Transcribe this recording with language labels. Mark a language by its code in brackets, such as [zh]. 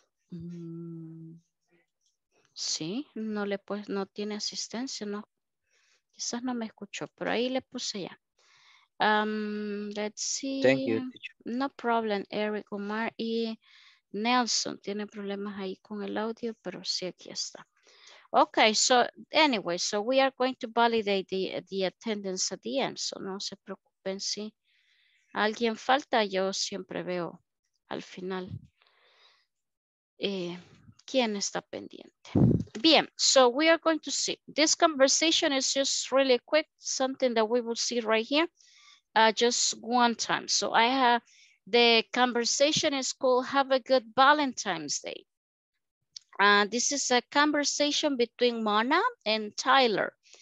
[es] Sí, no le pues no tiene asistencia, no. Quizás no me escuchó, pero ahí le puse ya. [en] Let's see. Thank you, teacher. No problem, Eric Omar y Nelson. [es] Tiene problemas ahí con el audio, pero sí, aquí está. [en] Okay, so anyway, so we are going to validate the attendance at the end. [es] So no se preocupen si alguien falta. Yo siempre veo al final quién está pendiente. Bien, [en] so we are going to see. This conversation is just really quick, something that we will see right here. Just one time. So I have the conversation is called Have a Good Valentine's Day. This is a conversation between Mona and Tyler.